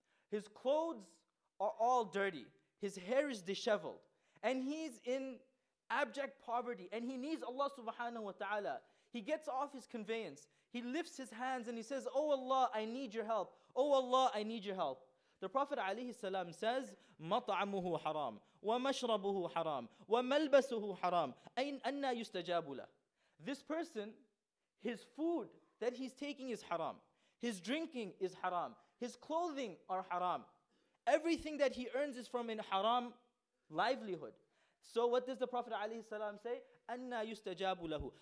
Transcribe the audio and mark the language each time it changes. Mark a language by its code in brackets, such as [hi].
[en] His clothes are all dirty. His hair is disheveled. And he's in abject poverty. And he needs Allah subhanahu wa ta'ala. He gets off his conveyance. He lifts his hands and he says, oh Allah, I need your help. Oh Allah, I need your help. The Prophet alayhi salam says, [ar] مَطْعَمُهُ حَرَامٌ وَمَشْرَبُهُ حَرَامٌ وَمَلْبَسُهُ حَرَامٌ أَيْنْ أَنَّا يُسْتَجَابُ لَهُ. [en] This person, his food that he's taking is haram. His drinking is haram. His clothing are haram. Everything that he earns is from a haram livelihood. So what does the Prophet alayhi salam say? [ar] أَنَّا يُسْتَجَابُ لَهُ.